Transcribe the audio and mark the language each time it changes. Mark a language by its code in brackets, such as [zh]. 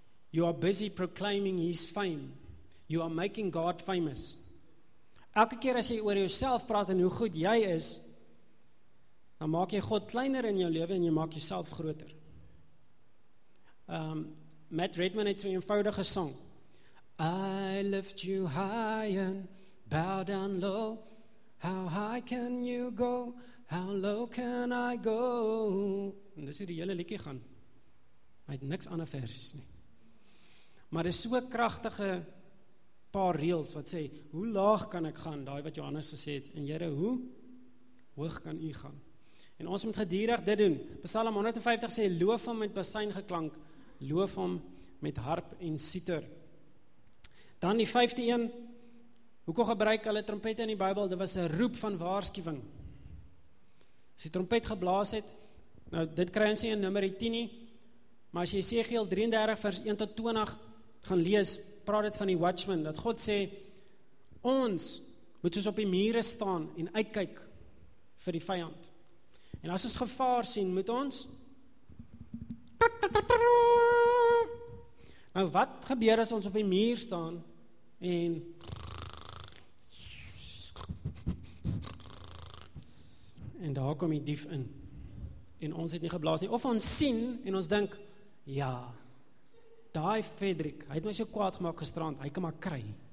[en] You are busy proclaiming his fame. You are making God famous. [af] Elke keer as jy oor jouself praat en hoe goed jy is, dan maak jy God kleiner in jou lewe en jy maak jouself groter. Matt Redman het 'n eenvoudige song. [en] I lift you high and bow down low. How high can you go? How low can I go? [af] En dis hoe die hele liedjie gaan. Hy het niks ander versies nie. Maar dis so kragtige paar reels wat sê, hoe laag kan ek gaan, daai wat Johannes gesê het, en Here, hoe hoog kan u gaan? En ons moet gedurig dit doen. Psalm 150 sê, loof hom met basyn geklank, loof hom met harp en siter. Dan die 5de een, hoekom gebruik hulle trompette in die Bybel? Dit was 'n roep van waarskuwing. As die trompet geblaas het, nou dit kry ons nie in nummer 10 nie, maar as jy Jesaja 33 vers 1 tot 20 gaan lees, praat dit van die watchman, dat God sê, ons moet soos op die mure staan en uitkyk vir die vyand. En as ons gevaar sien, moet ons... Nou wat gebeur as ons op die muur staan en... En daar kom die dief in. En ons het nie geblaas nie. Of ons sien en ons dink, ja, daai Frederik, hy het my so kwaad gemaak gisterand, hy kan maar kry.